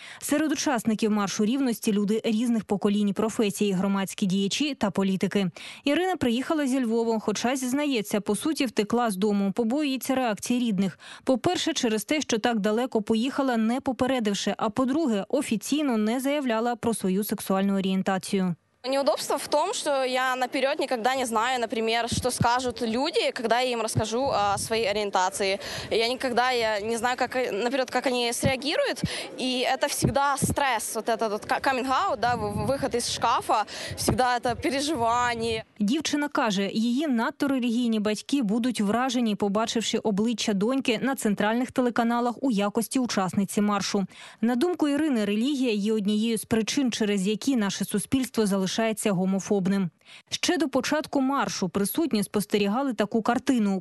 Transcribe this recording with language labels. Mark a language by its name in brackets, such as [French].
[Ukrainian] Серед учасників маршу рівності – люди різних поколінь, професій, громадські діячі та політики. Ірина приїхала зі Львова, хоча зізнається, по суті втекла з дому, боїться реакції рідних. По-перше, через те, що так далеко поїхала, не попередивши. А по-друге, офіційно не заявляла про свою сексуальну орієнтацію. [Russian] Неудобство в том, что я наперед никогда не знаю, например, что скажут люди, когда я им расскажу о своей ориентации. Я никогда не знаю, как наперед, как они среагируют. И это всегда стресс, вот этот вот каминг-аут, да, выход из шкафа, всегда это переживание. [Ukrainian] Дівчина каже, її надто релігійні батьки будуть вражені, побачивши обличчя доньки на центральних телеканалах у якості учасниці маршу. На думку Ірини, релігія є однією з причин, через які наше суспільство залишається гомофобним. Ще до початку маршу присутні спостерігали таку картину.